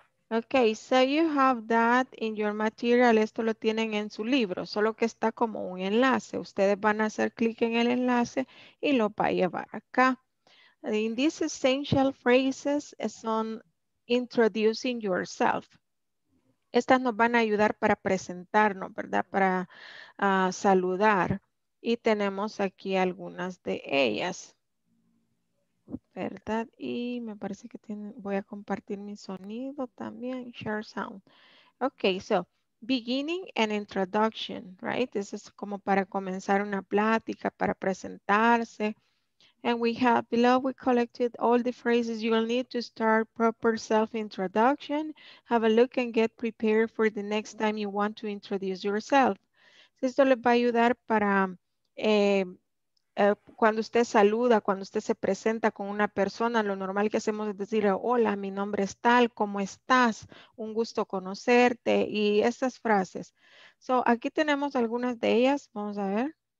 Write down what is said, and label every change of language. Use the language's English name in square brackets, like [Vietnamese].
[English] Okay, so you have that in your material. [Spanish] Esto lo tienen en su libro, solo que está como un enlace. Ustedes van a hacer clic en el enlace y lo va a llevar acá. [English] In these essential phrases son introducing yourself. [Spanish] Estas nos van a ayudar para presentarnos, ¿verdad? Para saludar. Y tenemos aquí algunas de ellas, ¿verdad? Y me parece que voy a compartir mi sonido también, [English] share sound. Ok, so beginning and introduction, right? This is [Spanish] como para comenzar una plática, para presentarse. [English] And we have below, we collected all the phrases you will need to start proper self-introduction. Have a look and get prepared for the next time you want to introduce yourself. [Spanish] Esto les va a ayudar para cuando usted saluda, cuando usted se presenta con una persona, lo normal que hacemos es decir, hola, mi nombre es tal, ¿cómo estás? Un gusto conocerte y estas frases. So, aquí tenemos algunas de ellas. Vamos a ver.